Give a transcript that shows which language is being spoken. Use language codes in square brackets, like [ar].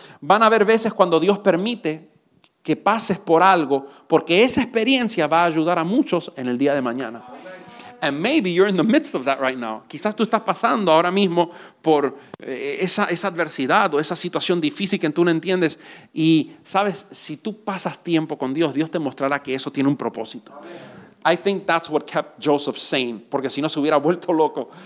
[es] Van a haber veces cuando Dios permite que pases por algo, porque esa experiencia va a ayudar a muchos en el día de mañana. [en] And maybe you're in the midst of that right now. [es] Quizás tú estás pasando ahora mismo por esa adversidad o esa situación difícil que tú no entiendes. Y sabes, si tú pasas tiempo con Dios, Dios te mostrará que eso tiene un propósito. [en] I think that's what kept Joseph sane, [es] porque si no se hubiera vuelto loco.